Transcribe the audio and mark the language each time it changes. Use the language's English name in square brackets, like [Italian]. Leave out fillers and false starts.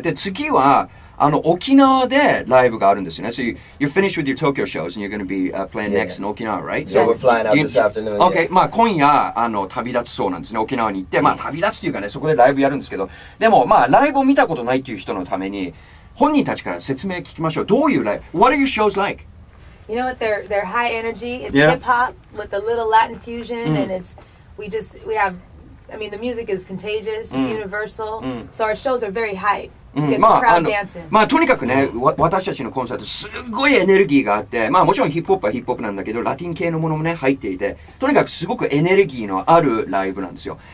[Japanese] で次はあの沖縄でライブがあるんですよね。 [English] So you're finished with your Tokyo shows and you're going to be playing next in Okinawa, right? Yeah, we're flying out this afternoon. [Japanese] Okay, まあ今夜あの旅立つそうなんですね。沖縄に行って、まあ旅立つというかね、そこでライブやるんですけど、でもまあライブを見たことないっていう人のために、本人たちから説明聞きましょう。どういうライブ？ [English] What are your shows like? You know what? They're high energy. It's hip-hop with a little Latin fusion and it's, the music is contagious. It's universal. So our shows are very hype. [Japanese] まあとにかくね、私たちのコンサートすごいエネルギーがあって、まあもちろんヒップホップはヒップホップなんだけど、ラティン系のものもね入っていて、とにかくすごくエネルギーのあるライブなんですよ。